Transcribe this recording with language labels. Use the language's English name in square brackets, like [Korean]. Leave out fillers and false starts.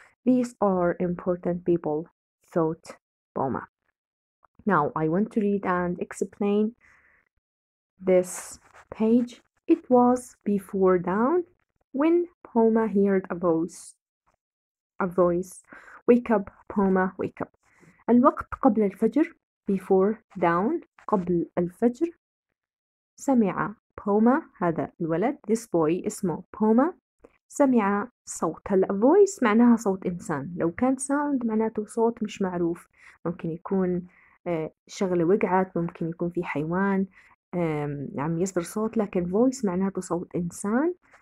[English] These are important people, thought Poma. Now, I want to read and explain this page. It was before dawn when Poma heard a voice. Wake up, Poma, wake up. [Arabic] الوقت قبل الفجر, [English] before dawn, [Arabic] قبل الفجر. سمع Poma, هذا الولد, [English] this boy [Arabic] اسمه Poma. سمع صوت, هلأ voice معناها صوت إنسان. لو كان sound معناته صوت مش معروف. ممكن يكون شغلة وقعت, ممكن يكون في حيوان عم يصدر صوت, لكن voice معناته صوت إنسان.